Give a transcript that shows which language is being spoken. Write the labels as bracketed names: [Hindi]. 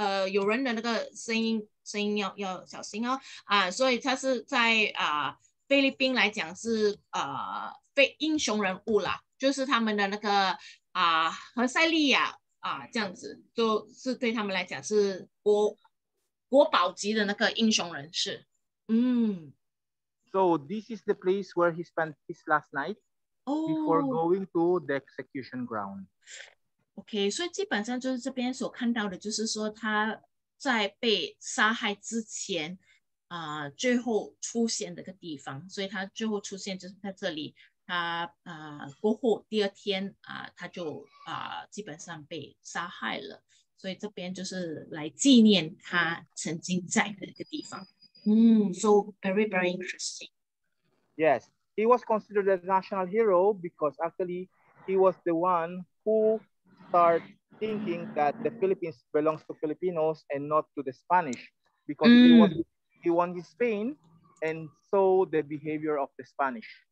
[Chinese] 有人的那个声音要小心哦所以他是在菲律宾来讲是非英雄人物啦，就是他们的那个何塞利亚这样子，就是对他们来讲是国宝级的那个英雄人士。嗯 [English] ，So this is the place where he spent his last night. Oh, before going to the execution ground. Okay, so [Chinese] 基本上就是这边所看到的，就是说他在被杀害之前，最后出现的个地方。所以他最后出现就是在这里。他过后第二天他就基本上被杀害了。所以这边就是来纪念他曾经在的一个地方。 [English] So very very interesting. Yes. He was considered a national hero because actually he was the one who started thinking that the Philippines belongs to Filipinos and not to the Spanish because he won in Spain and saw the behavior of the Spanish.